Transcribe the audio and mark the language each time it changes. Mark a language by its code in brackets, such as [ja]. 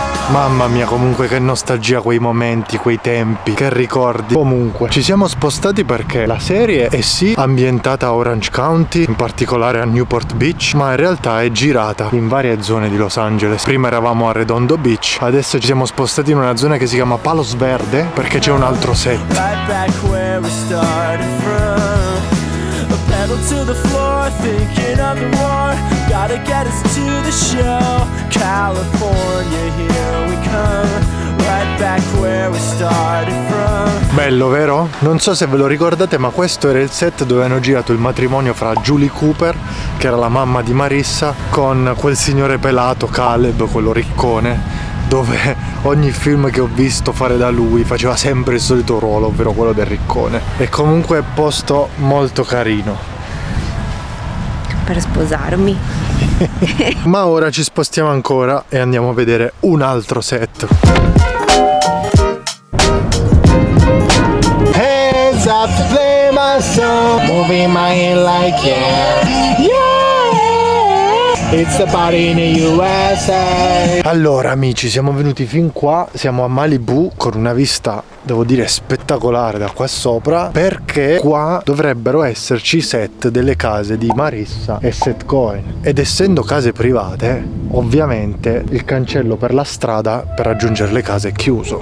[it] Mamma mia, comunque che nostalgia quei momenti, quei tempi, che ricordi. Comunque, ci siamo spostati perché la serie è sì ambientata a Orange County, in particolare a Newport Beach, ma in realtà è girata in varie zone di Los Angeles. Prima eravamo a Redondo Beach, adesso ci siamo spostati in una zona che si chiama Palos Verde, perché c'è un altro set. [en] Right back where we started from. A pedal to the floor, thinking of the war. Gotta get us to the show. California, here we come. Right back where we started from. [it] Bello, vero? Non so se ve lo ricordate, ma questo era il set dove hanno girato il matrimonio fra Julie Cooper, che era la mamma di Marissa, con quel signore pelato, Caleb, quello riccone, dove ogni film che ho visto fare da lui faceva sempre il solito ruolo, ovvero quello del riccone. E comunque è posto molto carino. Per sposarmi. Ma ora ci spostiamo ancora e andiamo a vedere un altro set. [en] Hands up, play my song, moving my hand like yeah. Yeah, it's the party in the USA. [it] Allora amici, siamo venuti fin qua, siamo a Malibu con una vista, devo dire, spettacolare da qua sopra, perché qua dovrebbero esserci i set delle case di Marissa e Seth Cohen. Ed essendo case private, ovviamente il cancello per la strada per raggiungere le case è chiuso.